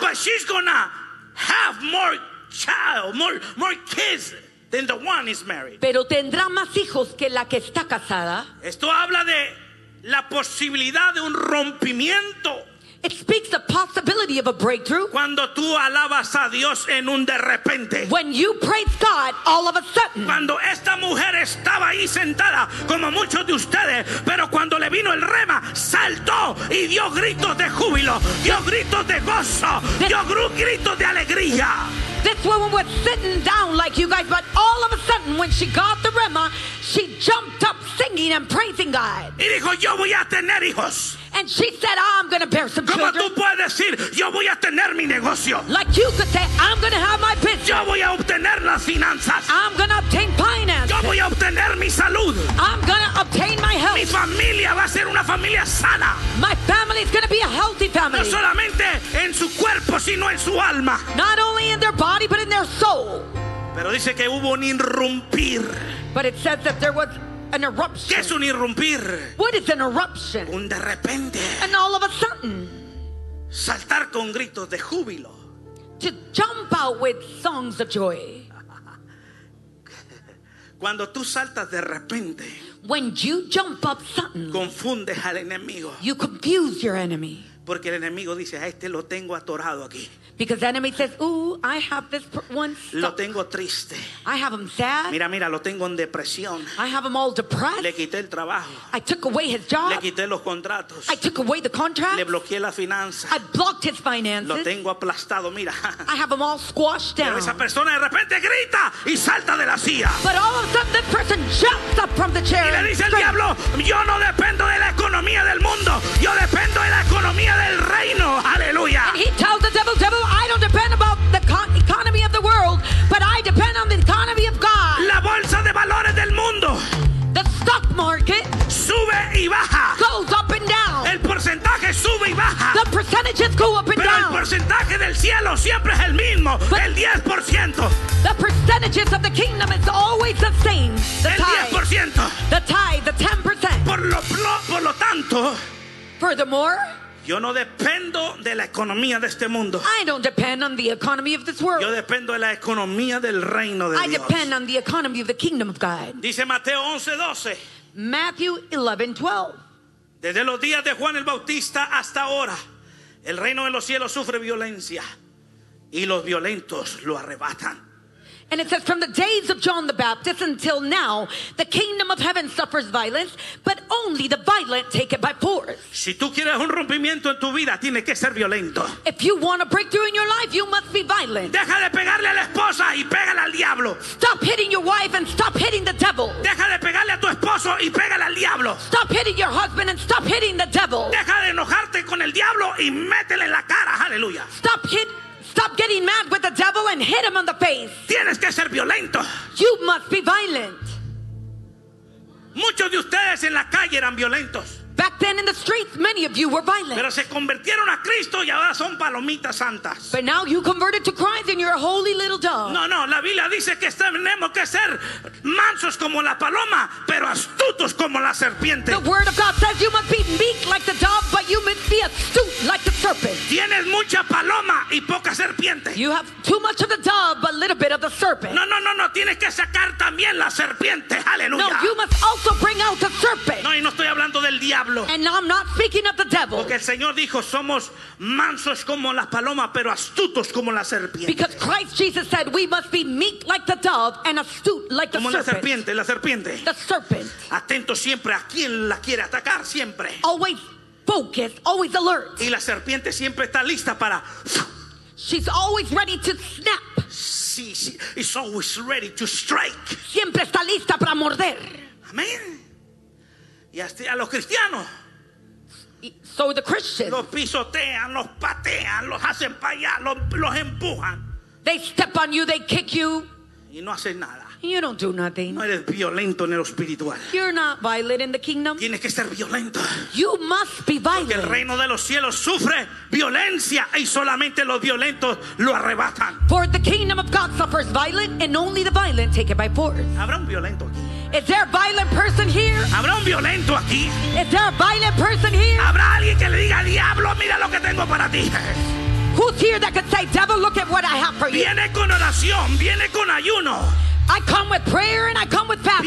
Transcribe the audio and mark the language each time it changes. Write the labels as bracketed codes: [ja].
[en] but she's gonna have more kids than the one is married. [es] Pero tendrá más hijos que la que está casada. Esto habla de la posibilidad de un rompimiento. [en] It speaks the possibility of a breakthrough. [es] Cuando tú alabas a Dios en un de repente. [en] When you praise God all of a sudden. [es] Cuando esta mujer estaba ahí sentada como muchos de ustedes, pero cuando le vino el rema, saltó y dio gritos de júbilo, dio gritos de gozo, dio gritos de alegría. [en] This woman was sitting down like you guys, but all of a sudden when she got the rema, she jumped up singing and praising God. [es] Y dijo, yo voy a tener hijos. [en] And she said, I'm going to bear some [es] ¿cómo [en] children. [es] Tú puedes decir, yo voy a tener mi negocio? [en] Like you could say, I'm going to have my business. [es] Yo voy a obtener las finanzas. [en] I'm going to obtain finances. [es] Yo voy a obtener mi salud. [en] I'm going to obtain my health. [es] Mi familia va a ser una familia sana. [en] My family is going to be a healthy family. [es] No solamente en su cuerpo, sino en su alma. [en] Not only in their body, but in their soul. [es] Pero dice que hubo un irrumpir. [en] But it says that there was an eruption. [es] ¿Qué es un irrumpir? [en] What is an eruption? [es] Un de repente. [en] And all of a sudden. [es] Saltar con gritos de júbilo. [en] To jump out with songs of joy. [es] Cuando tú saltas de repente. [en] When you jump up suddenly. [es] Confundes al enemigo. [en] You confuse your enemy. [es] Porque el enemigo dice, a este lo tengo atorado aquí. [en] Because the enemy says, ooh, I have this one stuck. [es] Lo tengo triste. [en] I have him sad. [es] Mira, mira, lo tengo en depresión. [en] I have him all depressed. [es] Le quité el trabajo. [en] I took away his job. [es] Le quité los contratos. [en] I took away the contract. [es] Le bloqueé la finanza. [en] I blocked his finances. [es] Lo tengo aplastado, mira. [en] I have him all squashed down. [es] Pero esa persona de repente grita y salta de la silla. [en] But all of a sudden, this person jumps up from the chair. [es] Y le dice el diablo, yo no dependo de la economía del mundo. Yo dependo de la economía del reino. Aleluya. [en] And he tells the devil, devil, I don't depend about the economy of the world, but I depend on the economy of God. [es] La bolsa de valores del mundo. [en] The stock market [es] sube y baja. [en] Goes up and down. [es] El porcentaje sube y baja. [en] The percentages go up and [es] Pero [en] down. [es] El porcentaje del cielo siempre es el mismo, [en] but [es] el 10%. [en] The percentages of the kingdom is always the same. The [es] el 10%. [en] Tithe. The tithe, the 10%. [es] Por lo tanto, [en] furthermore, [es] yo no dependo de la economía de este mundo. [en] I don't depend on the economy of this world. [es] Yo dependo de la economía del reino de [en] I [es] Dios. [en] I depend on the economy of the kingdom of God. [es] Dice Mateo 11:12. [en] Matthew 11:12. [es] Desde los días de Juan el Bautista hasta ahora, el reino de los cielos sufre violencia y los violentos lo arrebatan. [en] And it says, from the days of John the Baptist until now, the kingdom of heaven suffers violence, but only the violent take it by force. [es] Si tú quieres un rompimiento en tu vida, tiene que ser violento. [en] If you want a breakthrough in your life, you must be violent. [es] Deja de pegarle a la esposa y pégale al diablo. [en] Stop hitting your wife and stop hitting the devil. [es] Deja de pegarle a tu esposo y pégale al diablo. [en] Stop hitting your husband and stop hitting the devil. [es] Deja de enojarte con el diablo y métele en la cara. Aleluya. [en] Stop getting mad with the devil and hit him on the face. [es] Tienes que ser violento. [en] You must be violent. [es] Muchos de ustedes en la calle eran violentos. [en] Back then in the streets, many of you were violent. [es] Pero se convirtieron a Cristo y ahora son palomitas santas. [en] But now you converted to Christ and you're a holy little dove. [es] No, no, la Biblia dice que tenemos que ser mansos como la paloma, pero astutos como la serpiente. [en] The word of God says you must be meek like the dove, but you must be astute like the serpent. [es] Tienes mucha paloma y poca serpiente. [en] You have too much of the dove, but little bit of the serpent. [es] No, no, no, no, tienes que sacar también la serpiente. Aleluya. [en] No, you must also bring out the serpent. [es] No, y no estoy hablando del diablo. [en] And I'm not speaking of the devil. [es] Porque el Señor dijo, somos mansos como las palomas, pero astutos como la serpiente. [en] Because Christ Jesus said, we must be meek like the dove and astute like [es] como [en] the serpent. [es] Como la serpiente. [en] The serpent. [es] Atento siempre a quien la quiere atacar siempre. [en] Always focused, always alert. [es] Y la serpiente siempre está lista para. [en] She's always ready to snap. [es] Sí, sí. [en] It's always ready to strike. [es] Siempre está lista para morder. Amén. Y hasta a los cristianos. [en] So the Christians. [es] Los pisotean, los patean, los hacen para allá, los empujan. [en] They step on you, they kick you. [es] Y no hacen nada. [en] You don't do nothing. [es] No eres violento en lo espiritual. [en] You're not violent in the kingdom. [es] Tienes que ser violento. [en] You must be violent. [es] Porque el reino de los cielos sufre violencia y solamente los violentos lo arrebatan. [en] For the kingdom of God suffers violence and only the violent take it by force. [es] Habrá un violento aquí. [en] Is there a violent person here? [es] ¿Habrá un violento aquí? [en] Is there a violent person here? [es] ¿Habrá alguien que le diga, diablo, mira lo que tengo para ti? [en] Who's here that could say, devil, look at what I have for you? [es] Viene con oración, viene con ayuno. [en] I come with prayer and I come with fasting.